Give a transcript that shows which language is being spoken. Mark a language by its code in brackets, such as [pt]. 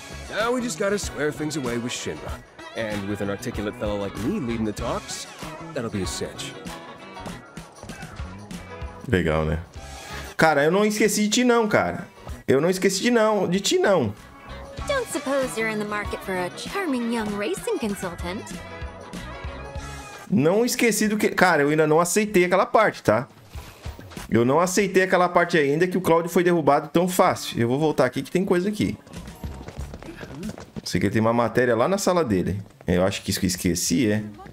[en] Now we just gotta square things away with Shinra. And with an articulate fellow like me leading the talks, that'll be a cinch. [pt] Legal, né? Cara, eu não esqueci de ti não, cara. Eu não esqueci de não, de ti não. [en] Don't suppose you're in the market for a charming young racing consultant. [pt] Não esqueci do que... Cara, eu ainda não aceitei aquela parte, tá? Eu não aceitei aquela parte ainda que o Claudio foi derrubado tão fácil. Eu vou voltar aqui que tem coisa aqui. Sei que ele tem uma matéria lá na sala dele. Eu acho que isso que eu esqueci, é.